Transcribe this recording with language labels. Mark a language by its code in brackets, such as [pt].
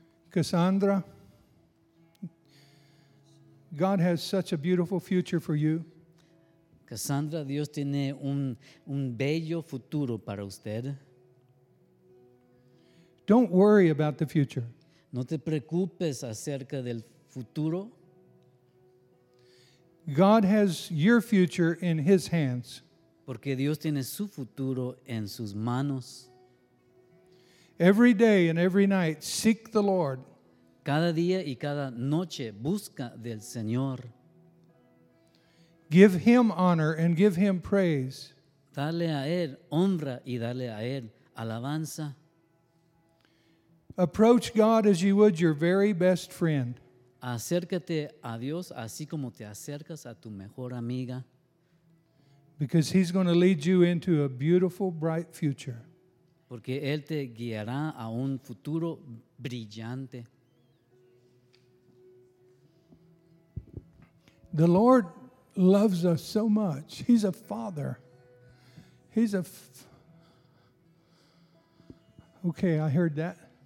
[en] Cassandra, God has such a beautiful future for you. [es] Cassandra, Dios tiene un bello futuro para usted. [en] Don't worry about the future. [es] No te preocupes acerca del futuro. [en] God has your future in His hands. [es] Porque Dios tiene su futuro en sus manos. [en] Every day and every night, seek the Lord. [es] Cada día y cada noche, busca del Señor. [en] Give Him honor and give Him praise. [es] Dale a Él honra y dale a Él alabanza. [en] Approach God as you would your very best friend. [es] Acércate a Dios así como te acercas a tu mejor amiga. [en] Because He's going to lead you into a beautiful, bright future. [es] Porque Él te guiará a un futuro brillante. [en] The Lord loves us so much. He's a father. Okay, I heard that.